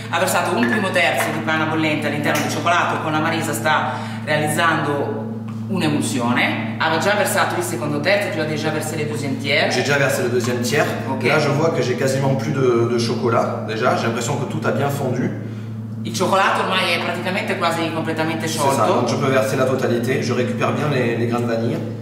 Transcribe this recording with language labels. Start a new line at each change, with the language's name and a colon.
Italian: ha versato un primo terzo di panna bollente all'interno del cioccolato, con la Marisa sta realizzando un'emulsione, aveva già versato il secondo terzo,
French: tu avevi già versé le deuxième tiers. J'ai già versé le deuxième tiers. Okay. Là je vois que j'ai quasiment plus de chocolat déjà, j'ai l'impression que tout a bien fondu.
Italian: Il cioccolato ormai è praticamente quasi completamente sciolto.
French: C'est ça, donc je peux verser la totalité, je récupère bien les grains de vanille.